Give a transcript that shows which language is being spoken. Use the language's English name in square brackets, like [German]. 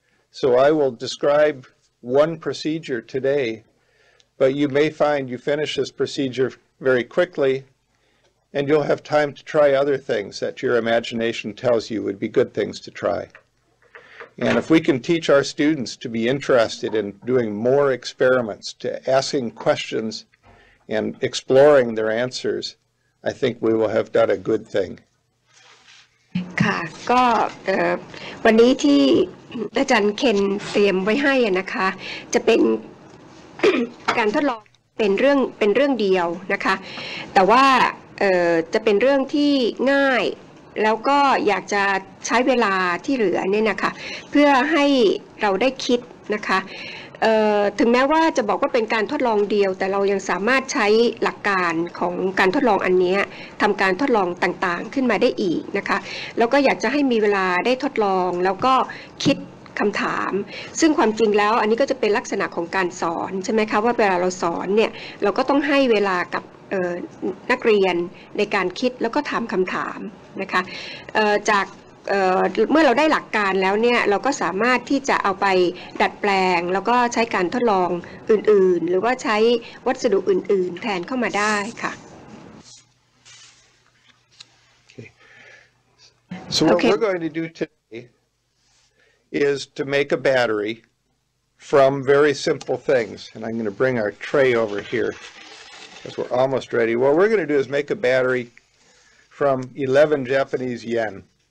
[English] So I will describe one procedure today, but you may find you finish this procedure very quickly, and you'll have time to try other things that your imagination tells you would be good things to try. And if we can teach our students to be interested in doing more experiments, to asking questions and exploring their answers, I think we will have done a good thing. [Thai] ค่ะก็วันนี้ที่อาจารย์เคนเตรียมไว้ให้นะคะจะเป็นการทดลองเป็นเรื่องเดียวนะคะแต่ว่าจะเป็นเรื่องที่ง่ายแล้วก็อยากจะใช้เวลาที่เหลือเนี่ยนะคะเพื่อให้เราได้คิดนะคะ ถึงแม้ว่าจะบอกว่าเป็นการทดลองเดียวแต่เรายังสามารถใช้หลักการของการทดลองอันนี้ทำการทดลองต่างๆขึ้นมาได้อีกนะคะแล้วก็อยากจะให้มีเวลาได้ทดลองแล้วก็คิดคำถามซึ่งความจริงแล้วอันนี้ก็จะเป็นลักษณะของการสอนใช่ไหมคะว่าเวลาเราสอนเนี่ยเราก็ต้องให้เวลากับ นักเรียนในการคิดแล้วก็ถามคำถามนะคะจาก เมื่อเราได้หลักการแล้วเนี่ยเราก็สามารถที่จะเอาไปดัดแปลงแล้วก็ใช้การทดลองอื่นๆหรือว่าใช้วัสดุอื่นๆแทนเข้ามาได้ค่ะ [English] So what we're going to do today is to make a battery from very simple things and I'm going to bring our tray over here because we're almost ready. What we're going to do is make a batteryfrom 11 Japanese yen.